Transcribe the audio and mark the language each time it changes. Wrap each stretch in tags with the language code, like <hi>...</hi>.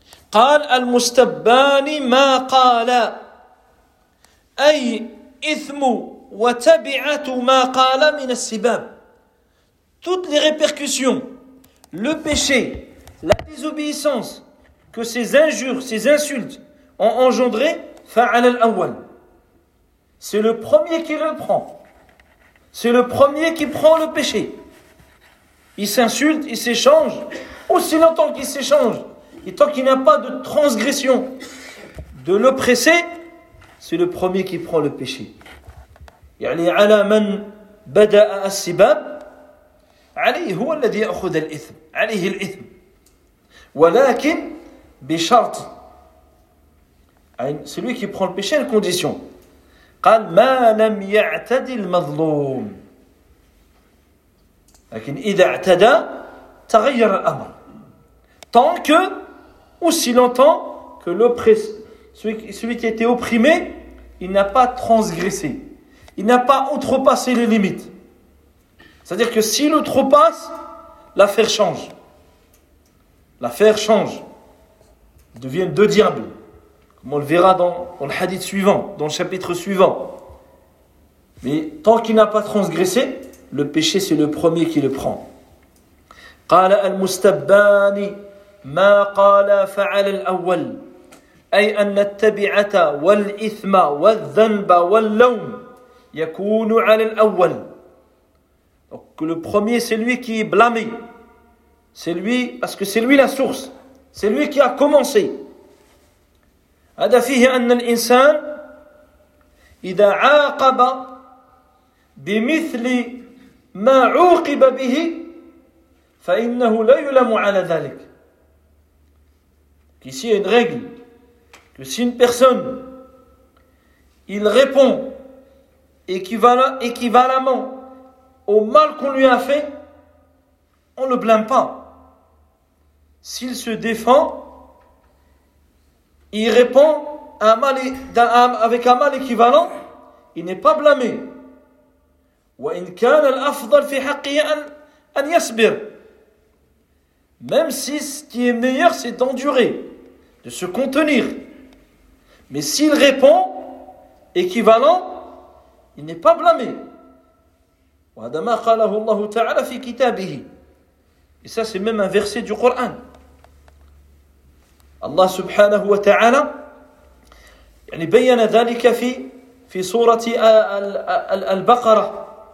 <ar>قال المستبان ما قال أي إثم وتبعة ما قال من السباب.</ar> <fr>Toutes les répercussions, le péché, la désobéissance que ces injures, ces insultes ont engendré,</fr> <ar>فعل الأول.</ar> <fr>C'est le premier qui le prend. C'est le premier qui prend le péché. Ils s'insultent, ils s'échangent, aussi longtemps qu'ils s'échangent, et tant qu'il n'y a pas de transgression de l'oppressé, c'est le premier qui prend le péché.</fr> <ar>يعني على من بدأ السباب عليه هو الذي يأخذ الإثم عليه الإثم ولكن بشرط</ar> <fr>Celui qui prend le péché à une condition.</fr> <ar>قال ما لم يعتد المظلوم لكن إذا اعتدى تغير الأمر.</ar> <fr>Tant que, aussi longtemps que celui qui était opprimé, il n'a pas transgressé. Il n'a pas outrepassé les limites. C'est-à-dire que s'il outrepasse, l'affaire change. L'affaire change. Ils deviennent deux diables. Comme on le verra dans le hadith suivant, dans le chapitre suivant. Mais tant qu'il n'a pas transgressé, le péché c'est le premier qui le prend.</fr> <ar>قال المستباني ما قال فعل الأول أي أن التبعة والإثم والذنب واللوم يكون على الأول.</ar> <fr>Donc le premier c'est lui qui est blâmé, c'est lui, parce que c'est lui la source, c'est lui qui a commencé.</fr> <ar>هذا فيه أن الإنسان إذا عاقب بمثل ما عوقب به فإنه لا يلام على ذلك.</ar> <fr>Ici, il y a une règle que si une personne il répond équivalemment au mal qu'on lui a fait, on ne le blâme pas. S'il se défend, il répond avec un mal équivalent, il n'est pas blâmé.</fr> <ar>وَإِنْ كَانَ الْأَفْضَلْ فِي حَقِّهِ أَنْ يَسْبِرْ.</ar> <fr>Même si ce qui est meilleur, c'est d'endurer, de se contenir. Mais s'il répond équivalent, il n'est pas blâmé.</fr> <ar>وَهَدَمَا قَالَهُ اللَّهُ تَعَالَى فِي كِتَابِهِ.</ar> <fr>Et ça, c'est même un verset du Coran.</fr> <ar>Allah subhanahu wa ta'ala يعني بيّن ذلك في سورة البقرة.</ar>